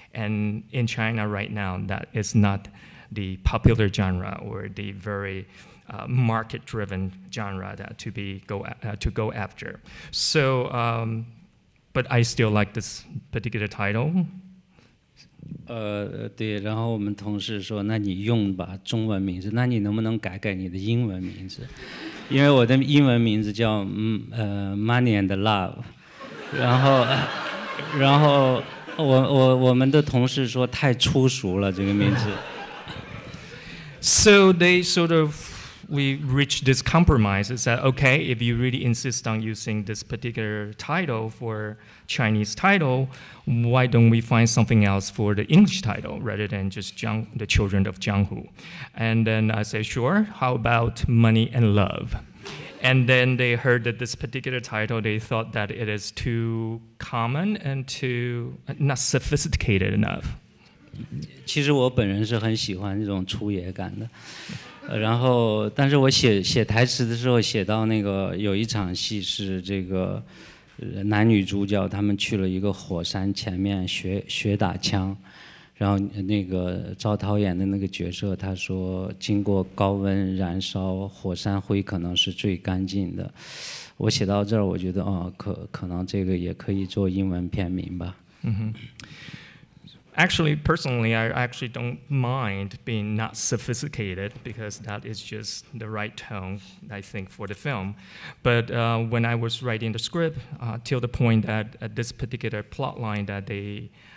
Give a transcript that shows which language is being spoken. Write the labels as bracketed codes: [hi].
[en] And in China right now, that is not the popular genre or the very market-driven genre that to go after. So, but I still like this particular title. [zh] 对，然后我们同事说，那你用吧中文名字，那你能不能改改你的英文名字？因为我的英文名字叫Money and Love， 然后我们的同事说太粗俗了这个名字。 [en] So they sort of, we reached this compromise. It's that, okay, if you really insist on using this particular title for Chinese title, why don't we find something else for the English title rather than just the Children of Jianghu? And then I say, sure, how about Money and Love? And then they heard that this particular title, they thought that it is too common and too not sophisticated enough. [zh] 其实我本人是很喜欢这种粗野感的，然后但是我写台词的时候，写到那个有一场戏是这个男女主角他们去了一个火山前面学打枪，然后那个赵涛演的那个角色他说经过高温燃烧，火山灰可能是最干净的。我写到这儿，我觉得哦，可能这个也可以做英文片名吧。 [en] Actually, personally, I actually don't mind being not sophisticated because that is just the right tone, I think, for the film. But when I was writing the script, till the point that at this particular plot line that the